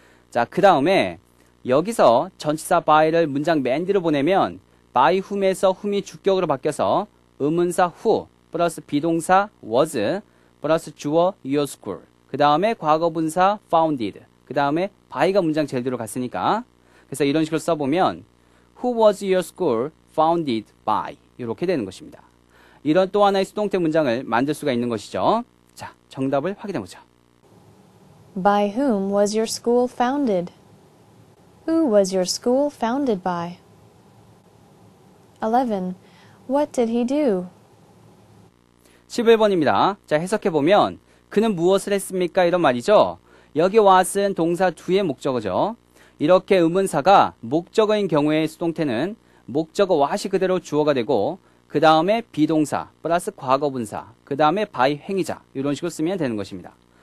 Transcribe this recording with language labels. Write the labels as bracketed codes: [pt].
[ko] 자, 그 다음에 여기서 전치사 by를 문장 맨 뒤로 보내면 by whom에서 whom이 주격으로 바뀌어서 의문사 who 플러스 비동사 was 플러스 주어 your school 그 다음에 과거분사 founded 그 다음에 by가 문장 제일 뒤로 갔으니까 그래서 이런 식으로 써보면 [en] who was your school founded by [ko] 이렇게 되는 것입니다. 이런 또 하나의 수동태 문장을 만들 수가 있는 것이죠. 자, 정답을 확인해 보죠. [en] By whom was your school founded? Who was your school founded by? 11. What did he do? [ko] 11번입니다. 자, 해석해 보면 그는 무엇을 했습니까? 이런 말이죠. 여기 what은 동사 to의 목적어죠. 이렇게 의문사가 목적어인 경우의 수동태는 목적어 what이 그대로 주어가 되고 그 다음에 비동사 플러스 과거분사 그 다음에 by 행위자 이런 식으로 쓰면 되는 것입니다.